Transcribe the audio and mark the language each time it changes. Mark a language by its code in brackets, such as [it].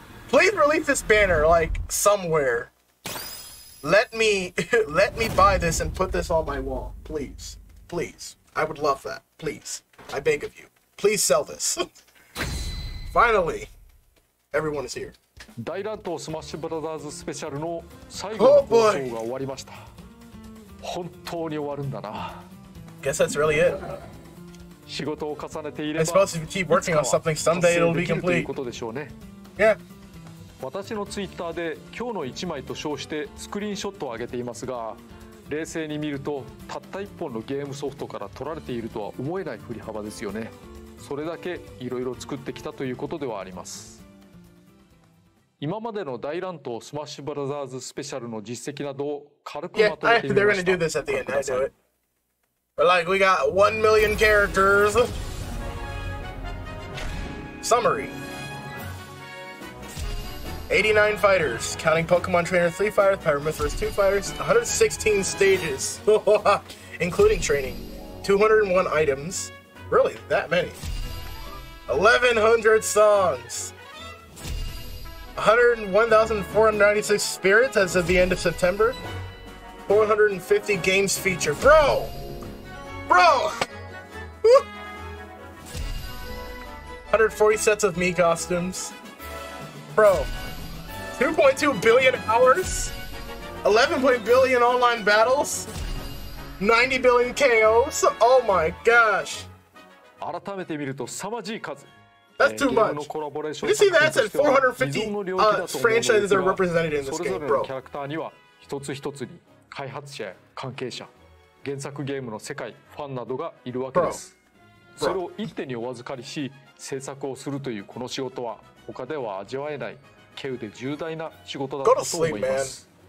[en] Please release this banner, like, somewhere. Let me buy this and put this on my wall. Please. Please. I would love that. Please. I beg of you. Please sell this. Finally, everyone is here. [ja] 大乱闘スマッシュブラザーズスペシャルの最後の放送が終わりました。 Oh、本当に終わるんだな。 [en] Guess that's really it. [ja] 仕事を重ねていれば、 [en] I suppose if you keep working on something, someday it'll be complete. [ja] ということでしょうね。 [en] Yeah. [ja] 私のツイッターで今日の一枚と称してスクリーンショットを上げていますが、冷静に見るとたった一本のゲームソフトから取られているとは思えない振り幅ですよね。それだけいろいろ作ってきたということではあります。今までの大乱闘スマッシュブラザーズスペシャルの実績などを軽くまとめてみました。 [en] Yeah, they're gonna do this at the end, I know it. But like, we got 1 million characters. Summary. 89 fighters, counting Pokemon Trainer 3 fighters, Pyromithra 2 fighters, 116 stages, including training, 201 items, really, that many. 1100 songs. 101,496 spirits as of the end of September. 450 games featured. Bro! Bro! 140 sets of Mii costumes. Bro. 2.2 billion hours. 11 billion online battles. 90 billion KOs. Oh my gosh. [ja] 改めて見ると凄まじい数。 [en] That's too much. You see, that's at 450、franchises are represented in this game, bro. [ja] キャラクターには一つ一つに開発者、関係者、原作ゲームの世界、ファンなどがいるわけです。それを一手にお預かりし、制作をするというこの仕事は他では味わえない、稀有で重大な仕事だと思います。